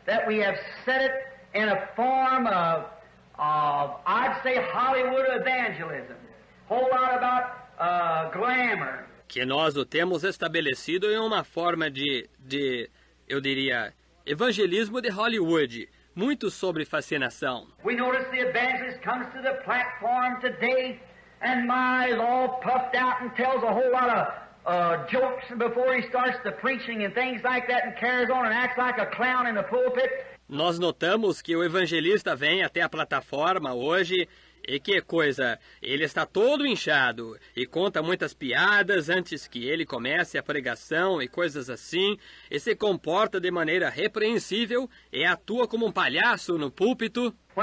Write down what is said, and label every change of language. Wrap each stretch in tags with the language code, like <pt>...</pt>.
<en>That we have set it in a form of I'd say Hollywood evangelism. Whole lot about glamour.</en> <pt>Que nós o temos estabelecido em uma forma de, eu diria, evangelismo de Hollywood, muito sobre fascinação.</pt> <en>We notice the evangelist comes to the platform today and my is all puffed out and tells a whole lot of jokes before he starts the preaching and things like that and carries on and acts like a clown in the pulpit.</en> <pt>Nós notamos que o evangelista vem até a plataforma hoje. E que coisa, ele está todo inchado e conta muitas piadas antes que ele comece a pregação e coisas assim, e se comporta de maneira repreensível e atua como um palhaço no púlpito.</pt>